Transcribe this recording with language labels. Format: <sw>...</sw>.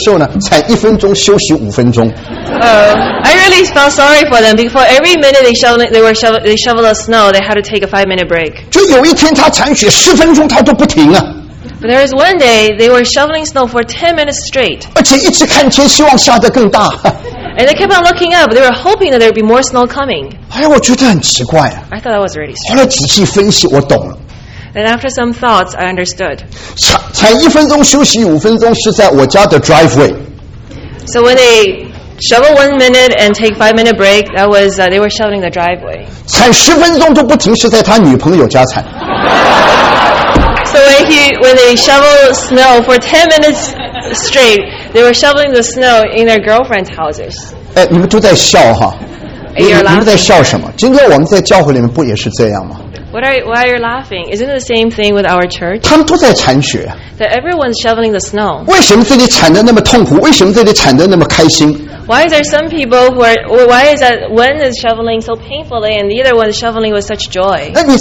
<zh>哎呀，我觉得他们真可怜。他们常常铲雪的时候呢，谢谢。铲雪的时候呢，铲一分钟休息五分钟。</zh> <en>I really felt sorry for them. Before every minute they shovel the snow, they had to take a 5-minute break.</en> <zh>就有一天他铲雪十分钟，他都不停啊。But</zh> <en>there was one day they were shoveling snow for 10 minutes straight.</en> <zh>而且一直看天，希望下得更大。</zh> <en>And they kept on looking up. They were hoping that there would be more snow coming.</en> <zh>哎呀，我觉得很奇怪啊。</zh> <en>I thought that was really strange.</en> <zh>后来仔细分析，我懂了。</zh> <en>And after some thoughts, I understood.</en> <zh>铲一分钟休息五分钟是在我家的 driveway.</zh> <en>So when they shovel 1 minute and take 5-minute break, that was they were shoveling the driveway.</en> <zh>铲十分钟都不停是在他女朋友家铲。</zh> <en>So when they shovel snow for 10 minutes straight, they were shoveling the snow in their girlfriend's houses.</en> <zh>哎，你们都在笑哈。你们在笑什么？今天我们在教会里面不也是这样吗？</zh> <en>Why are you laughing? Isn't it the same thing with our church?</en> <zh>他们都在铲雪。</zh> <en>That everyone's shoveling the snow.</en> <zh>为什么这里铲得那么痛苦？为什么这里铲得那么开心？</zh> <en>Why is there some people who are, well, why is that one is shoveling so painfully and the other one is shoveling with such joy?</en>